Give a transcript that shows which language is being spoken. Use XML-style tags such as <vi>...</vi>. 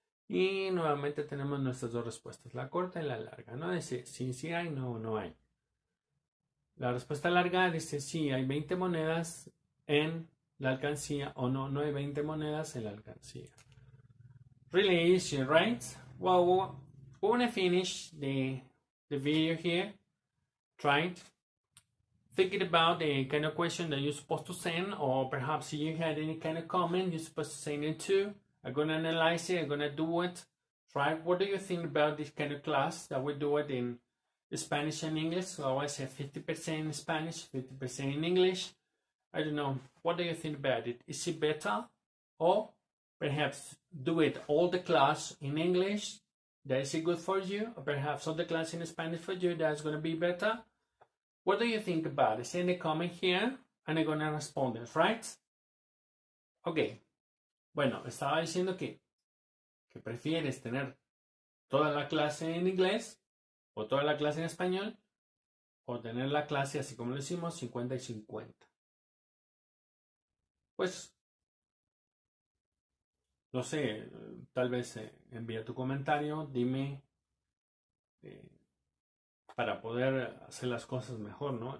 <es>Y nuevamente tenemos nuestras dos respuestas, la corta y la larga, ¿no? Dice, sí, sí hay, no, no hay. La respuesta larga dice, sí, hay 20 monedas en la alcancía, o no, no hay 20 monedas en la alcancía.</es> <en>Really easy, right? Well, we want to finish the video here, right? Thinking about the kind of question that you're supposed to send, or perhaps you had any kind of comment you're supposed to send it to. I'm going to analyze it. I'm going to do it. Try. What do you think about this kind of class that we do it in Spanish and English? So I always say 50% in Spanish, 50% in English. I don't know. What do you think about it? Is it better? Or perhaps do it all the class in English. That is it good for you? Or perhaps all the class in Spanish for you. That's going to be better. What do you think about it? Send a comment here and I'm going to respond it, right? Okay.</en> <es>Bueno, estaba diciendo que prefieres tener toda la clase en inglés o toda la clase en español o tener la clase, así como lo hicimos, 50 y 50. Pues, no sé, tal vez envía tu comentario, dime, para poder hacer las cosas mejor, ¿no?</es>